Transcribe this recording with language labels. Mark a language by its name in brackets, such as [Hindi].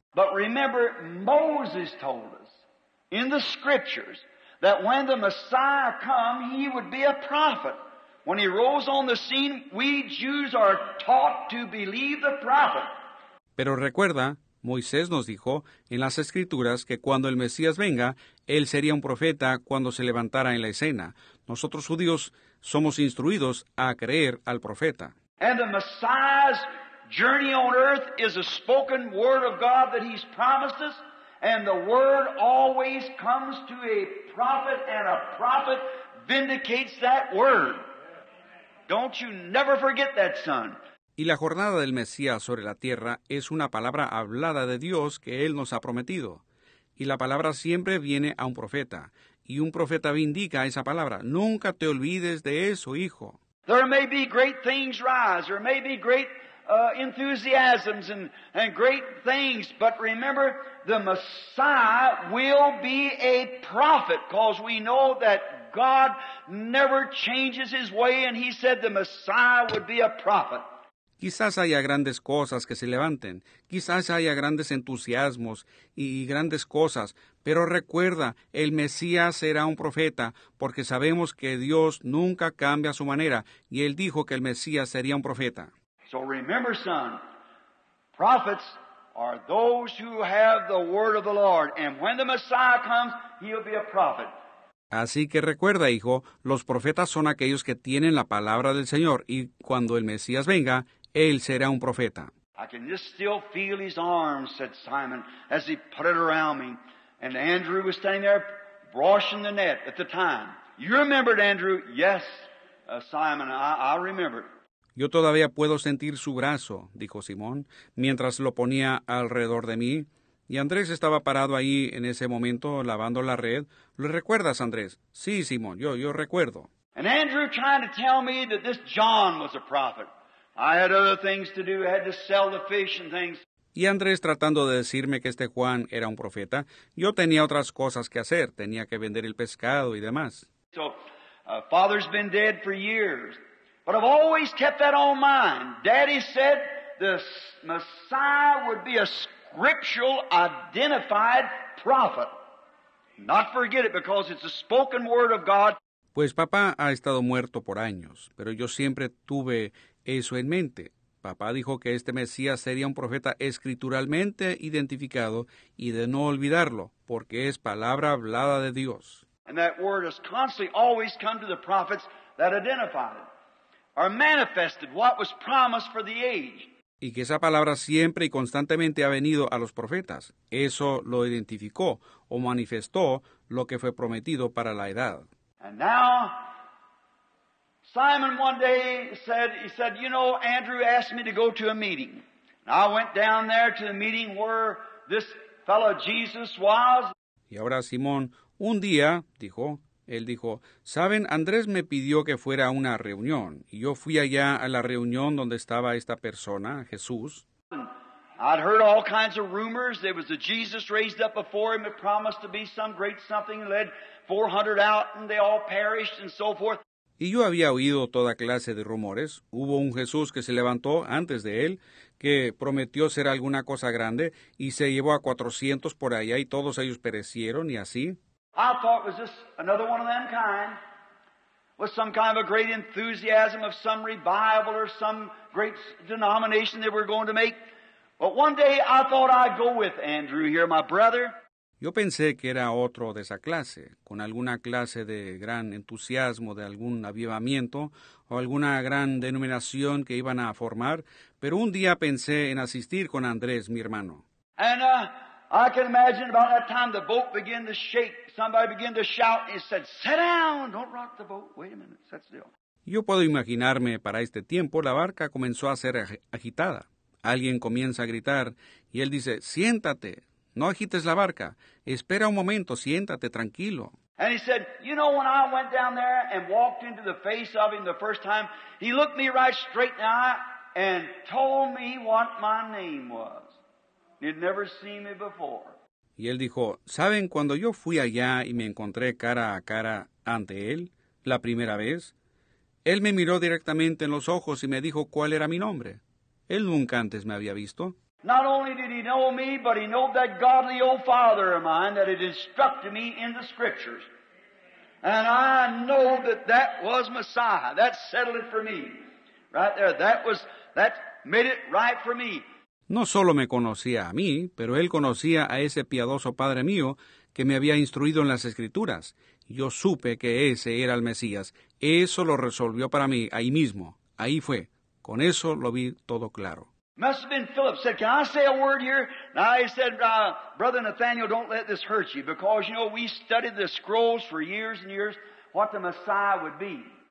[English] But remember, Moses told us in the scriptures that when the Messiah come, he would be a prophet. When he rose on the scene, we Jews are taught to believe the prophet. [Spanish] Pero recuerda, Moisés nos dijo en las Escrituras que cuando el Mesías venga, él sería un profeta cuando se levantara en la escena. Nosotros judíos somos instruidos a creer al profeta. [English] And the Messiah's journey on earth is a spoken word of God that he's promised us. And the word always comes to a prophet, and a prophet vindicates that word. Don't you never forget that, son. [Spanish] Y la jornada del Mesías sobre la tierra es una palabra hablada de Dios que Él nos ha prometido. Y la palabra siempre viene a un profeta. Y un profeta vindica esa palabra. Nunca te olvides de eso, hijo. [English] There may be great things rise. There may be great enthusiasms and great things. But remember, the Messiah will be a prophet, because we know that God never changes his way, and he said the Messiah would be a prophet. [Spanish] Quizás haya grandes cosas que se levanten, quizás haya grandes entusiasmos y grandes cosas, pero recuerda, el Mesías será un profeta, porque sabemos que Dios nunca cambia su manera, y él dijo que el Mesías sería un profeta. [English] So remember, son, prophets are those who have the word of the Lord, and when the Messiah comes, he'll be a prophet. [Spanish] Así que recuerda, hijo, los profetas son aquellos que tienen la palabra del Señor, y cuando el Mesías venga, él será un profeta. [English] I can just still feel his arms, said Simon, as he put it around me. And Andrew was standing there brushing the net at the time. You remembered, Andrew? Yes, Simon, I remember. [Spanish] Yo todavía puedo sentir su brazo, dijo Simón, mientras lo ponía alrededor de mí. Y Andrés estaba parado ahí en ese momento lavando la red. ¿Lo recuerdas, Andrés? Sí, Simón, yo recuerdo. [English] And Andrew trying to tell me that this John was a prophet. I had other things to do. I had to sell the fish and things. [Spanish] Y Andrés tratando de decirme que este Juan era un profeta, yo tenía otras cosas que hacer. Tenía que vender el pescado y demás. [English] So, father's been dead for years. But I've always kept that on mind. Daddy said the Messiah would be a scriptural identified prophet. Not forget it, because it's a spoken word of God. [Spanish] Pues papá ha estado muerto por años, pero yo siempre tuve eso en mente. Papá dijo que este Mesías sería un profeta escrituralmente identificado y de no olvidarlo, porque es palabra hablada de Dios. [English] And that word has constantly always come to the prophets that identified it, or manifested what was promised for the age. [Spanish] Y que esa palabra siempre y constantemente ha venido a los profetas. Eso lo identificó o manifestó lo que fue prometido para la edad. [English] And now, Simon one day said, you know, Andrew asked me to go to a meeting. And I went down there to the meeting where this fellow Jesus was. [Spanish] Y ahora Simón, un día, dijo, él dijo, saben, Andrés me pidió que fuera a una reunión. Y yo fui allá a la reunión donde estaba esta persona, Jesús. [English] And I'd heard all kinds of rumors. There was a Jesus raised up before him that promised to be some great something, led 400 out and they all perished and so forth. [Spanish] Y yo había oído toda clase de rumores. Hubo un Jesús que se levantó antes de él, que prometió ser alguna cosa grande, y se llevó a 400 por allá, y todos ellos perecieron, y así. [English] I thought it was just another one of them kind, with some kind of a great enthusiasm of some revival or some great denomination they were going to make. But one day I thought I'd go with Andrew here, my brother. [Spanish] Yo pensé que era otro de esa clase, con alguna clase de gran entusiasmo, de algún avivamiento, o alguna gran denominación que iban a formar, pero un día pensé en asistir con Andrés, mi hermano. [English] And I can imagine about that time the boat began to shake, somebody began to shout, and said, sit down, don't rock the boat, wait a minute, sit still. [Spanish] Yo puedo imaginarme para este tiempo, la barca comenzó a ser agitada. Alguien comienza a gritar, y él dice, siéntate. No agites la barca. Espera un momento. Siéntate tranquilo. [English] And he said, you know, when I went down there and walked into the face of him the first time, he looked me right straight in the eye and told me what my name was. He'd never seen me before. [Spanish] Y él dijo, ¿saben? Cuando yo fui allá y me encontré cara a cara ante él la primera vez, él me miró directamente en los ojos y me dijo cuál era mi nombre. Él nunca antes me había visto. [English] Not only did he know me, but he knew that godly old father of mine that had instructed me in the scriptures. And I know that that was Messiah. That settled it for me. Right there, that made it right for me. [Spanish] No solo me conocía a mí, pero él conocía a ese piadoso padre mío que me había instruido en las Escrituras. Yo supe que ese era el Mesías. Eso lo resolvió para mí ahí mismo. Ahí fue. Con eso lo vi todo claro. [English] Must have been Philip said, "Can I say a word here?" Now he said, "Brother Nathaniel, don't let this hurt you, because you know we studied the scrolls for years and years, what the Messiah would be."